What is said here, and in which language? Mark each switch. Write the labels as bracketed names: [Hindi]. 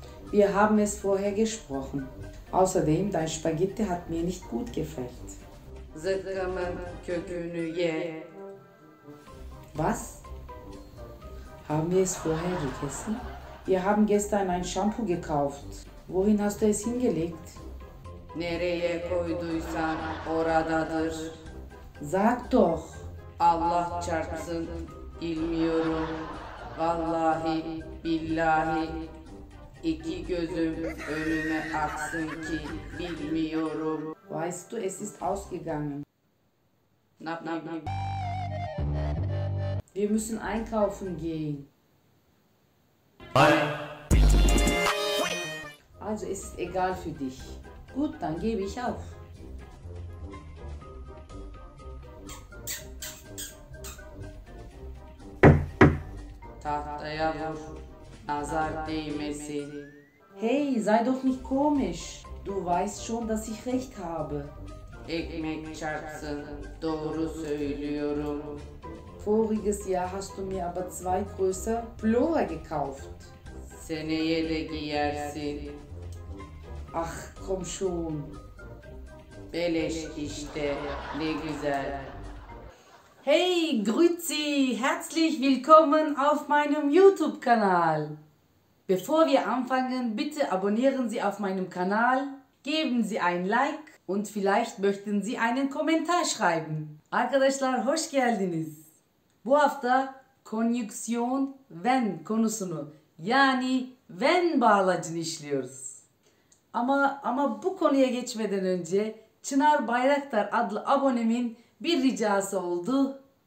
[German] Wir haben es vorher gesprochen. Außerdem, dein Spaghetti hat mir nicht gut gefällt. [Turkish] Zıkkımın kökünü ye. [German] Was? Haben wir es vorher gegessen? Wir haben gestern ein Shampoo gekauft. Wohin hast du es hingelegt? [Turkish] Nereye koyduysan oradadır. [German] Sag doch. [Turkish] Allah çarpsın, bilmiyorum. Vallahi, billahi. İki gözüm önüme aksın ki bilmiyorum. [German] Weißt du, es ist ausgegangen. Wir müssen einkaufen gehen. Also es ist egal für dich. Gut, dann gebe ich auf. [Turkish] Tahtaya vur, nazar değmesin. [German] Hey, sei doch nicht komisch. Du weißt schon, dass ich recht habe. [Turkish] Ekmek çarpsın, doğru söylüyorum. [German] Voriges Jahr hast du mir aber zwei Größe Plura gekauft. [Turkish] Seneye de giyersin. [German] Ach, komm schon. [Turkish] Beleş işte, ne güzel. [German] Hey, grüezi, herzlich willkommen auf meinem YouTube-Kanal. Bevor wir anfangen, bitte abonnieren Sie auf meinem Kanal, geben Sie ein Like und vielleicht möchten Sie einen Kommentar schreiben. [Turkish] Arkadaşlar, hoş geldiniz. Bu hafta konjüksiyon wenn konusunu, yani wenn bağlacını işliyoruz. Ama bu konuya geçmeden önce Çınar Bayraktar adlı abonemin bir ricası oldu.